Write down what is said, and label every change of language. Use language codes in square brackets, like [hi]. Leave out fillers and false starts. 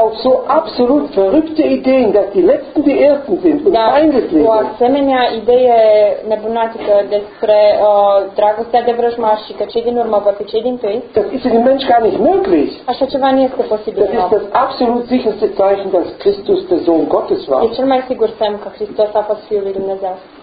[de] auf so absolut verrückte Ideen, dass die letzten die ersten sind und feindlich sind. [ro] O asemenea idee nebunatică despre dragostea de vrăjmaș și că cei din urmă vor fi cei din tâi, [de] das ist für den Mensch gar nicht möglich. [ro] Așa ceva nu este posibil. [de] Das ist das absolut sicherste Zeichen, dass Christus der Sohn Gottes war. [ro] E cel mai sigur semn că Hristos a fost Fiul lui Dumnezeu.